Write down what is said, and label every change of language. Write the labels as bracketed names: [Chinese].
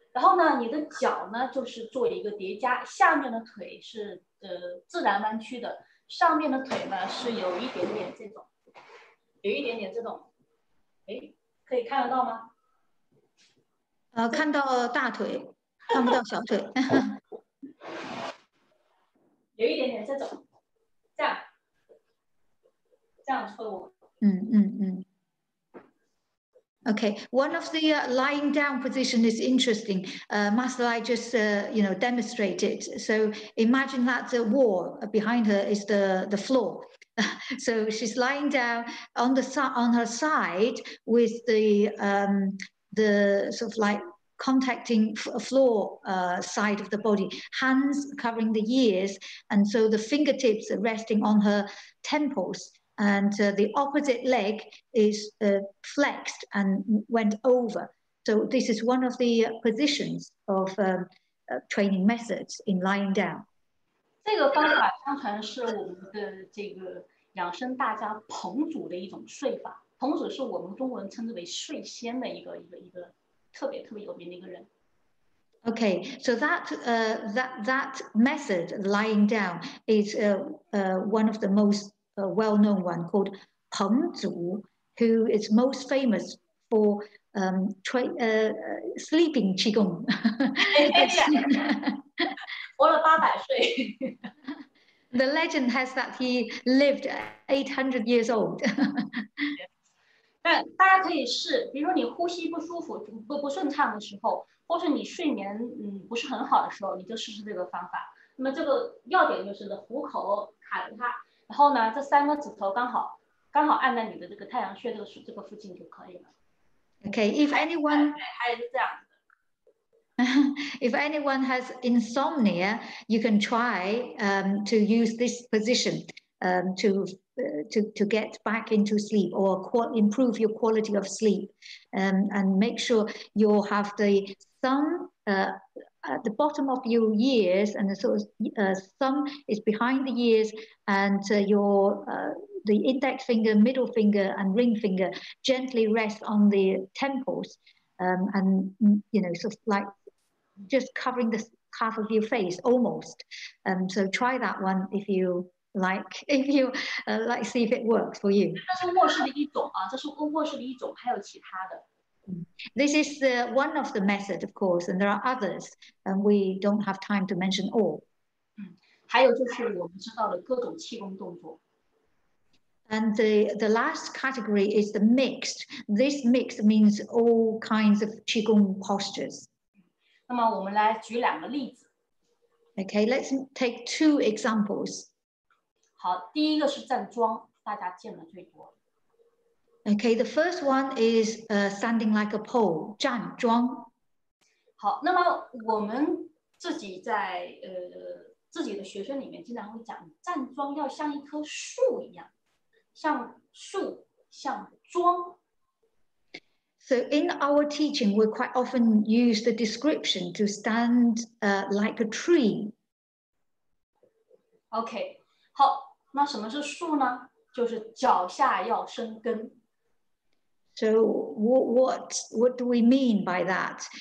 [Chinese] 然后呢，你的脚呢就是做一个叠加，下面的腿是自然弯曲的，上面的腿呢是有一点点这种，有一点点这种，哎，可以看得到吗？看到大腿，看不到小腿。有一点点这种，这样侧卧。嗯嗯嗯。 [English] Okay, one of the lying down position is interesting. Master Lai just, demonstrated. So imagine that the wall behind her is the floor. So she's lying down on the on her side with the sort of like contacting floor side of the body, hands covering the ears, and so the fingertips are resting on her temples. And the opposite leg is flexed and went over. So this is one of the positions of training methods in lying down. [Chinese] 这个方法相传是我们的这个养生大家彭祖的一种睡法。彭祖是我们中国人称之为睡仙的一个特别特别有名的一个人。 [English] Okay, so that method lying down is one of the most a well-known one called Peng Zu, who is most famous for sleeping Qigong. [Chinese] 活了八百岁。 [English] The legend has that he lived 800 years old. [Chinese] 但大家可以试，比如说你呼吸不舒服、不顺畅的时候，或是你睡眠不是很好的时候，你就试试这个方法。那么这个要点就是虎口卡着它。然后呢，这三个指头刚好按在你的这个太阳穴这个附近就可以了。 [English] Okay, if anyone [Chinese] 还是这样子。 [English] If anyone has insomnia, you can try to use this position to get back into sleep or improve your quality of sleep, and make sure you have the thumb at the bottom of your ears, and the sort of thumb is behind the ears, and the index finger, middle finger, and ring finger gently rest on the temples, and sort of like just covering the half of your face almost. So try that one if you like. If you like, see if it works for you. [Chinese] 这是卧室的一种啊，这是卧室的一种，还有其他的。 [English] This is one of the methods, of course, and there are others, and we don't have time to mention all. [Chinese] 还有就是我们知道的各种气功动作。 [English] And the last category is the mixed. This mixed means all kinds of qigong postures. [Chinese] 那么我们来举两个例子。 [English] Okay, let's take two examples. [Chinese] 好，第一个是站桩，大家见的最多。 [English] Okay, the first one is standing like a pole, 站桩。 [Chinese] 好，那么我们自己在自己的学生里面经常会讲，站桩要像一棵树一样，像树，像桩。 [English] So in our teaching, we quite often use the description to stand like a tree. [Chinese] Okay, 好，那什么是树呢？就是脚下要生根。 [English] So what do we mean by that?